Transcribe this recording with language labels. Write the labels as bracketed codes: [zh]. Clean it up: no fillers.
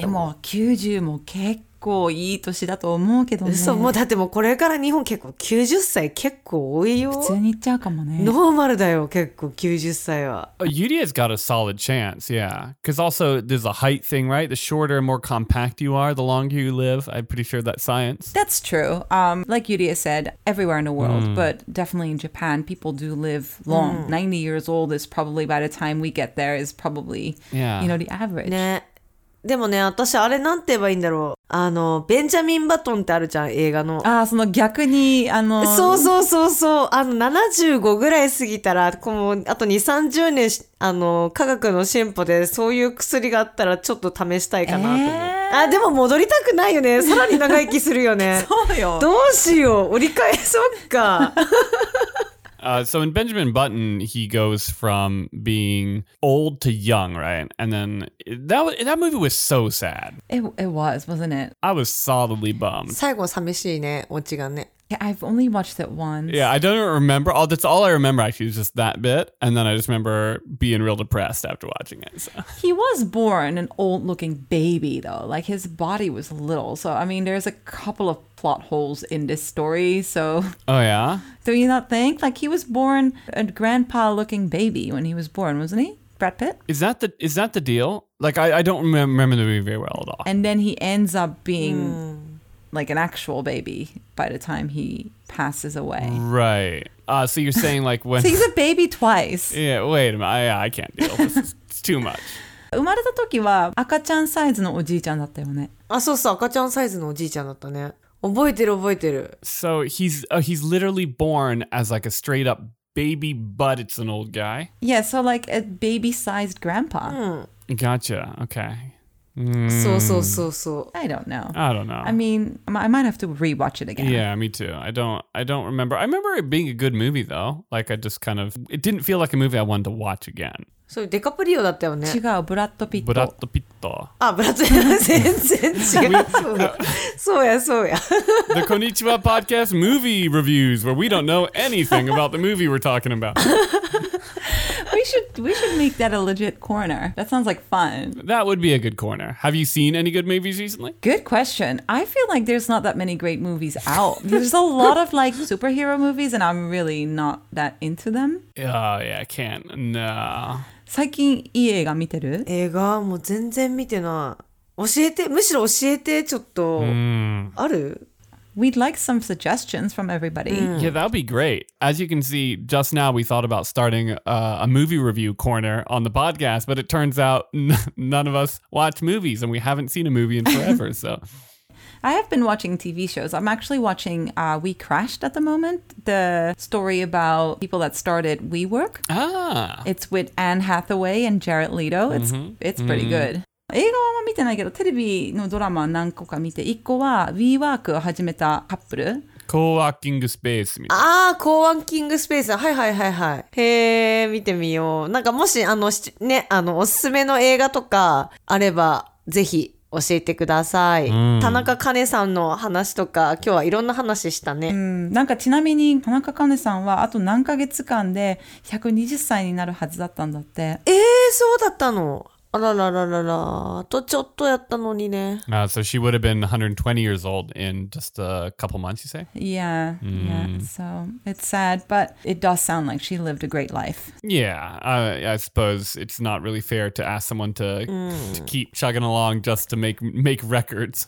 [ja] でも90も結構いい年だと思うけどね。そう、もうだってもうこれから日本結構90歳結構多いよ。普通に行っちゃうかもね。ノーマルだよ、結構90歳は。 [en] Yuria's got a solid chance, yeah. Because also there's a height thing, right? The shorter and more compact you are, the longer you live. I'm pretty sure that's science. That's true. Like Yuria said, everywhere in the world, but definitely in Japan, people do live long. 90 years old is probably by the time we get there is probably, you know, the average. [ja] ね。でもね、私あれなんて言えばいいんだろう。あの、ベンジャミンバトンってあるじゃん、映画の。ああ、その逆に、そうそうそうそう。あの、75ぐらい過ぎたら、こう、あと2、30年、科学の進歩で、そういう薬があったら、ちょっと試したいかなと思う。あ、でも戻りたくないよね。さらに長生きするよね。そうよ。どうしよう。折り返そっか。 [en] So in Benjamin Button, he goes from being old to young, right? And then that movie was so sad. It was, wasn't it? I was solidly bummed. [ja] 最後寂しいね、オチがね。 [en] Yeah, I've only watched it once. Yeah, I don't remember. Oh, that's all I remember, actually, is just that bit. And then I just remember being real depressed after watching it. So. He was born an old-looking baby, though. Like, his body was little. So, I mean, there's a couple of plot holes in this story, so... Oh, yeah? Do you not think? Like, he was born a grandpa-looking baby when he was born, wasn't he? Brad Pitt? Is that the deal? Like, I don't remember the movie very well at all. And then he ends up being... like an actual baby by the time he passes away. Right. So you're saying like when... So he's a baby twice. Yeah, wait a minute. I can't deal. This is too much. [ja] 生まれた時は赤ちゃんサイズのおじいちゃんだったよね。あ、そうそう。赤ちゃんサイズのおじいちゃんだったね。覚えてる覚えてる。 [en] So he's literally born as like a straight up baby, but it's an old guy? Yeah, so like a baby-sized grandpa. Gotcha. Okay. So. I don't know. I mean, I might have to rewatch it again. Yeah, me too. I don't remember. I remember it being a good movie though. Like I just kind of, it didn't feel like a movie I wanted to watch again. [ja] So, デカプリオだったよね。違う、ブラッドピット。ブラッドピット。あ、ブラッド、全然違う。そうや。 [en] The Konnichiwa Podcast Movie Reviews, where we don't know anything about the movie we're talking about. We should make that a legit corner. That sounds like fun. That would be a good corner. Have you seen any good movies recently? Good question. I feel like there's not that many great movies out. There's a lot of like superhero movies and I'm really not that into them. Oh yeah, I can't. No. [ja] 最近いい映画見てる？映画もう全然見てない。教えて、むしろ教えてちょっと。ある？ [en] We'd like some suggestions from everybody. Yeah, that'd be great. As you can see, just now we thought about starting a movie review corner on the podcast, but it turns out none of us watch movies and we haven't seen a movie in forever. So, I have been watching TV shows. I'm actually watching We Crashed at the moment, the story about people that started WeWork. Ah. It's with Anne Hathaway and Jared Leto. It's pretty good. [ja] 映画はあんま見てないけど、テレビのドラマ何個か見て、一個は WeWork を始めたカップル。コーワーキングスペースみたいな。ああ、コーワーキングスペース。はいはいはいはい。へえ、見てみよう。なんかもし、ね、おすすめの映画とかあれば、ぜひ教えてください。田中カ子さんの話とか、今日はいろんな話したね。なんかちなみに、田中カ子さんはあと何ヶ月間で120歳になるはずだったんだって。そうだったの。あらららららとちょっとやったのにね。 [en] So she would have been 120 years old in just a couple months, you say? Yeah,、mm. yeah. So it's sad, but it does sound like she lived a great life. Yeah, I suppose it's not really fair to ask someone to,、mm. to keep chugging along just to make records.